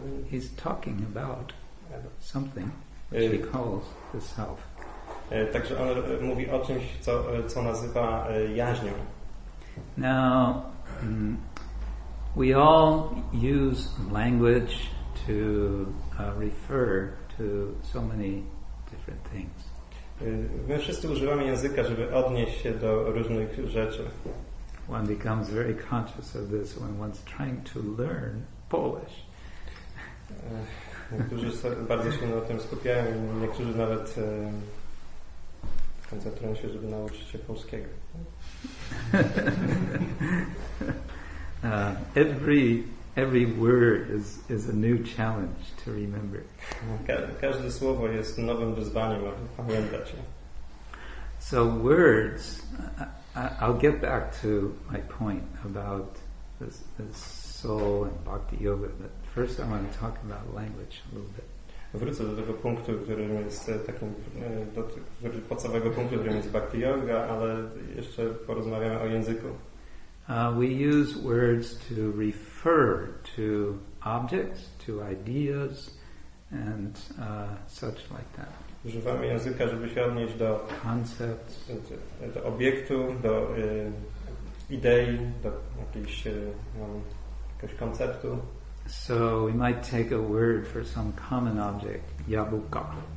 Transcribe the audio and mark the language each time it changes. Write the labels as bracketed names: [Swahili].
[English] he's talking about something which he calls the self. [Polish] Także on mówi o czymś, co nazywa jaźnią. [English] Now we all use language to refer to so many different things. [Polish] My wszyscy używamy języka, żeby odnieść się do różnych rzeczy. [English] One becomes very conscious of this when one's trying to learn Polish. [Polish] Niektórzy bardzo się na tym skupiają, niektórzy nawet koncentrują się, żeby nauczyć się polskiego. [English] every Every word is a new challenge to remember. [Polish] Każde słowo jest nowym wyzwaniem, aby pamiętać. [English] So words, I'll get back to my point about this soul and bhakti yoga, but first I want to talk about language a little bit. [Polish] Wrócę do tego punktu, którym jest takim podstawowego punktu, którym jest bhakti yoga, ale jeszcze porozmawiamy o języku. [English] We use words to refer to objects, to ideas, and such like that. [Polish] Używamy języka, żeby się odnieść do [English] concepts, [Polish] do obiektu, do idei, do jakiejś, jakiegoś konceptu. [English] So we might take a word for some common object, jabłka.